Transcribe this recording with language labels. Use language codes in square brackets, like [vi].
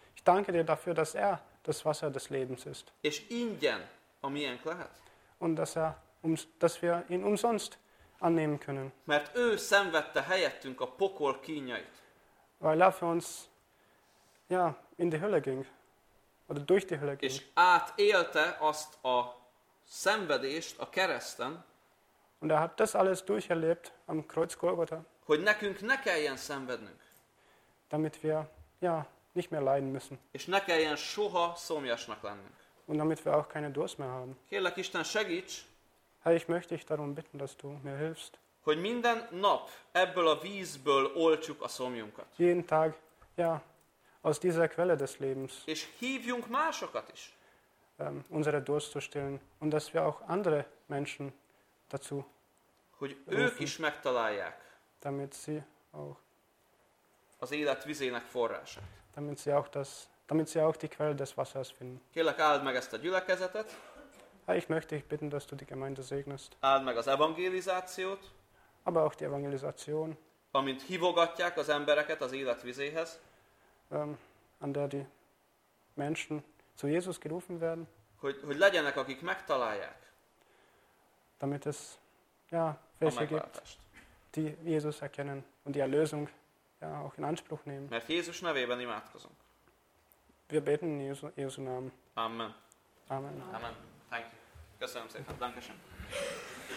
[de] Ich danke dir dafür, dass er das Wasser des Lebens ist. [hu] És ingyen, amilyen lehet. [de] Und dass wir ihn umsonst annehmen können. [hu] Mert ő szenvedte helyettünk a pokol kínjait. [de] Weil er für uns ja, in die Hölle ging. Oder durch die Hölle ging. [hu] És átélte azt a szenvedést a kereszten. [de] Und hat das alles durcherlebt am Kreuz Golgotha. [hu] Hogy nekünk ne kelljen szenvednünk. [de] Damit wir ja, nicht mehr leiden müssen. [hu] És ne kelljen soha szomjasnak lennünk. [de] Und damit wir auch keine Durst mehr haben. [hu] Kérlek, Isten, segíts. [de] Herr, ich möchte dich darum bitten, dass du mir hilfst. [hu] Hogy minden nap ebből a vízből oltsuk a szomjunkat. [de] Jeden Tag, ja, aus dieser Quelle des Lebens. [hu] És hívjunk másokat is. [de] Unsere Durst zu stillen und dass wir auch andere Menschen dazu [hu] hogy [de] rufen, [hu] ők is megtalálják. [de] Damit sie auch [hu] az élet vizének forrását. [de] Damit sie auch die Quelle des Wassers finden. [hu] Kérlek, áld meg ezt a gyülekezetet. [de] Ich möchte dich bitten, dass du die Gemeinde segnest. [hu] Áld meg az evangelizációt. [de] Aber auch die Evangelisation. [hu] Amint hívogatják az embereket az élet vizéhez. [de] An der die Menschen zu Jesus gerufen werden. [hu] Hogy legyenek, akik megtalálják. [de] Damit es ja, welche gibt, die Jesus erkennen und die Erlösung ja, auch in Anspruch nehmen. [hu] Mert Jézus nevében imádkozunk. [de] Wir beten in Jesu Namen. [hu] Amen. [de] Amen. [hu] Amen. [en] Thank you. [hu] Köszönöm szépen. [de] Dankeschön.